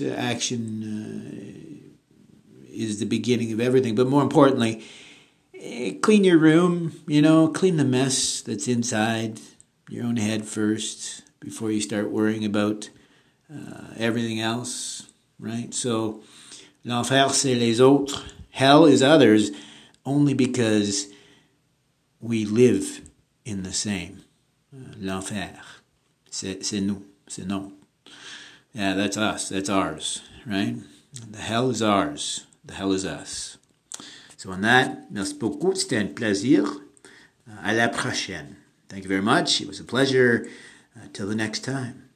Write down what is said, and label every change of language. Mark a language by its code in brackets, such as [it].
[en] Action is the beginning of everything. But more importantly, clean your room, you know, clean the mess that's inside your own head first before you start worrying about everything else, right? [fr] So, l'enfer, c'est les autres. [en] Hell is others, only because we live in the same. [fr] L'enfer, c'est nous, c'est nous. [en] Yeah, that's us, that's ours, right? The hell is ours, the hell is us. So on that, [fr] merci beaucoup, c'était un plaisir. À la prochaine. [en] Thank you very much, it was a pleasure. Till the next time.